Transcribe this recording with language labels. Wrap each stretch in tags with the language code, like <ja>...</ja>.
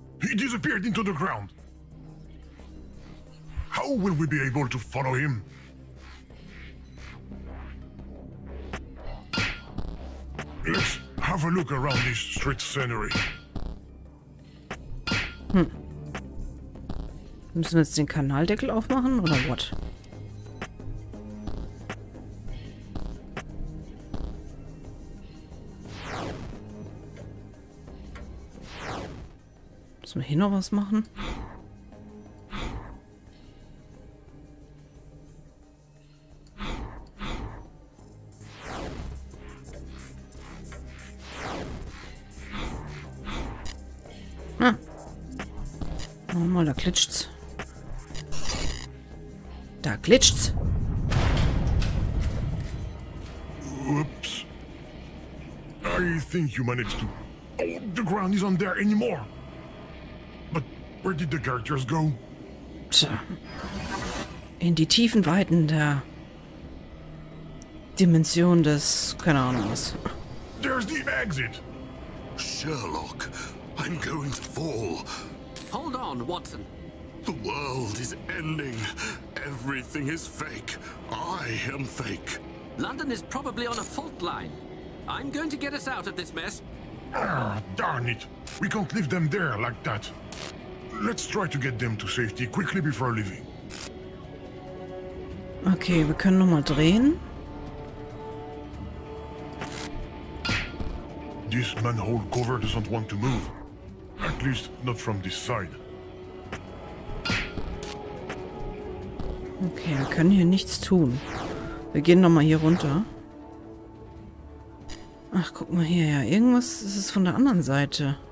<en>He disappeared into the ground. How will we be able to follow him? Let's have a look around this street scenery.</en> <de>Müssen wir jetzt den Kanaldeckel aufmachen oder</de> <en>what?</en> <de>Müssen wir hier noch was machen? Ah. Oh, mal, da glitscht's. Da glitscht's.</de> <en>Oops. I think you managed to... Oh, the ground is on there anymore. Where did the characters go?</en> <de>Tja. In die tiefen Weiten der Dimension des, keine Ahnung was.</de> <en>There's the exit. Sherlock, I'm going to fall. Hold on, Watson. The world is ending. Everything is fake. I am fake. London is probably on a fault line. I'm going to get us out of this mess. Ah, darn it. We can't leave them there like that. Let's try to get them to safety quickly before leaving.</en> <de>Okay, wir können nochmal drehen.</de> <en>This manhole cover doesn't want to move. At least not from this side.</en> <de>Okay, wir können hier nichts tun. Wir gehen nochmal hier runter. Ach, guck mal hier, ja. Irgendwas ist es von der anderen Seite.</de>